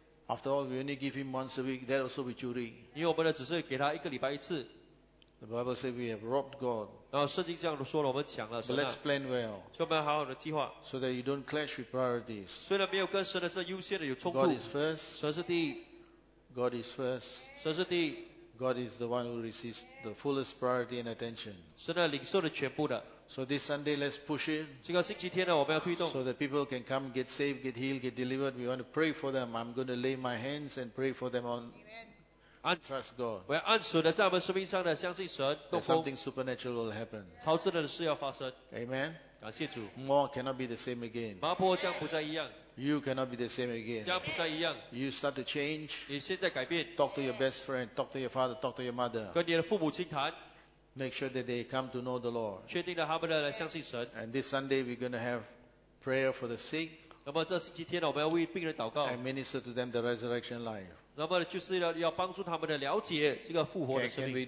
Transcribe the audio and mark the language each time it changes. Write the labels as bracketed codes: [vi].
[en] After all, we only give him once a week, that also be churi. [zh] 因为我们呢, 只是给他一个礼拜一次。 [en] The Bible says we have robbed God. [zh] 然后圣经这样说了，我们抢了神啊。 [en] Let's plan well. [zh] 所以我们要好好的计划。 [en] So that you don't clash with priorities. [zh] 虽然没有跟神的这优先的有冲突。 [en] God is first. [zh] 神是第一。 [en] God is first. [zh] 神是第一。 [en] God is the one who receives the fullest priority and attention. [zh] 神的领受的全部的。 [en] So this Sunday, let's push it. [zh] 这个星期天呢，我们要推动。 [en] So that people can come, get saved, get healed, get delivered. We want to pray for them. I'm going to lay my hands and pray for them on. Amen. Trust God. [zh] 我要按手的在我们生命上的相信神。 [en] That something supernatural will happen. [zh] 超自然的事要发生。 [en] Amen. [zh] 感谢主。 [en] More cannot be the same again. [zh] 麻坡将不再一样。 [en] You cannot be the same again. [zh] 将不再一样。 [en] You start to change. [zh] 你现在改变。 [en] Talk to your best friend. Talk to your father. Talk to your mother. [zh] 跟你的父母亲谈。 [en] Make sure that they come to know the Lord. [zh] 确定了他们来相信神。 [en] And this Sunday we're going to have prayer for the sick. [zh] 那么这星期天我们要为病人祷告。 [en] And minister to them the resurrection life. [zh] 那么就是要帮助他们的了解这个复活的生命。